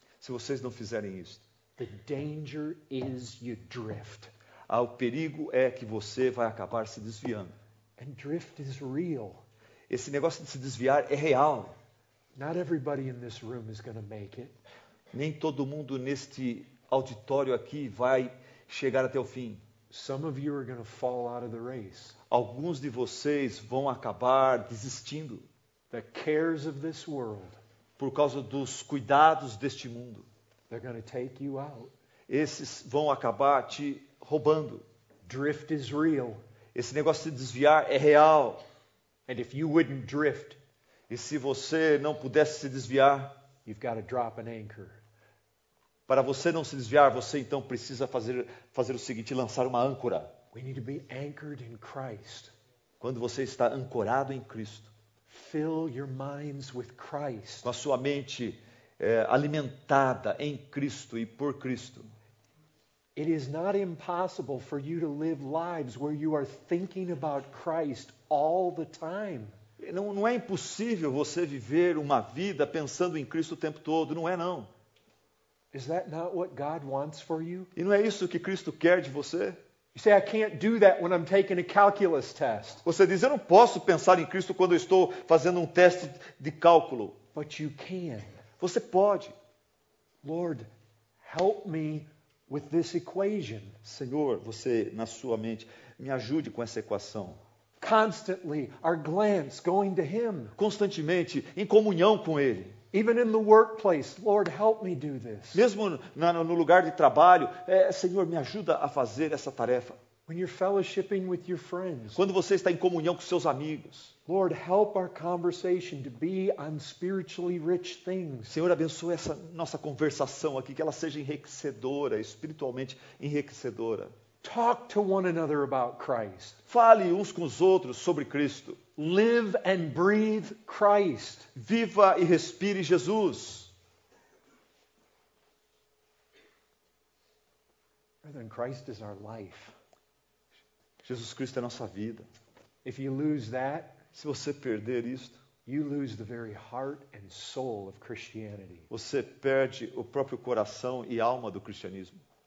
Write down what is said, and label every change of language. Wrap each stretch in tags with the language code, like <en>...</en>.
<pt>se vocês não fizerem isto,</pt> <en>the danger is you drift.</en> <pt>O perigo é que você vai acabar se desviando.</pt> <en>And drift is real.</en> <pt>Esse negócio de se desviar é real.</pt> <en>Not everybody in this room is going to make it.</en> <pt>Nem todo mundo neste auditório aqui vai chegar até o fim.</pt> <en>Some of you are going to fall out of the race.</en> <pt>Alguns de vocês vão acabar desistindo.</pt> <en>The cares of this world.</en> <pt>Por causa dos cuidados deste mundo.</pt> <en>They're going to take you out.</en> <pt>Esses vão acabar te roubando.</pt> <en>Drift is real.</en> <pt>Esse negócio de desviar é real.</pt> <en>And if you wouldn't drift,</en> <pt>e se você não pudesse se desviar,</pt> <en>you've got to drop an anchor.</en> <pt>Para você não se desviar, você então precisa fazer o seguinte, lançar uma âncora.</pt> <en>We need to be anchored in Christ.</en> <pt>Quando você está ancorado em Cristo,</pt> <en>fill your minds with Christ.</en> <pt>Com a sua mente alimentada em Cristo e por Cristo.</pt> <en>It is not impossible for you to live lives where you are thinking about Christ all the time.</en> <pt>Não é impossível você viver uma vida pensando em Cristo o tempo todo, não é não.</pt> <en>Is that not what God wants for you?</en> <pt>E não é isso que Cristo quer de você?</pt> <en>You say, I can't do that when I'm taking a calculus test.</en> <pt>Você diz, eu não posso pensar em Cristo quando eu estou fazendo um teste de cálculo.</pt> <en>But you can.</en> <pt>Você pode.</pt> <en>Lord, help me with this equation.</en> <pt>Senhor, você na sua mente, me ajude com essa equação.</pt> <en>Constantly, our glance going to Him.</en> <pt>Constantemente, em comunhão com Ele.</pt> <en>Even in the workplace, Lord, help me do this.</en> <pt>Mesmo no lugar de trabalho, Senhor, me ajuda a fazer essa tarefa.</pt> <en>When you're fellowshipping with your friends.</en> <pt>Quando você está em comunhão com seus amigos.</pt> <en>Lord, help our conversation to be on spiritually rich things.</en> <pt>Senhor, abençoe essa nossa conversação aqui, que ela seja enriquecedora, espiritualmente enriquecedora.</pt> <en>Talk to one another about Christ.</en> <pt>Fale uns com os outros sobre Cristo.</pt> <en>Live and breathe Christ.</en> <pt>Viva e respire Jesus.</pt> <en>Brethren, Christ is our life.</en> <pt>Jesus Cristo é nossa vida.</pt> <en>If you lose that,</en> <pt>se você perder isto,</pt> <en>you lose the very heart and soul of Christianity.</en> <pt>Você perde o próprio coração e alma do cristianismo.</pt>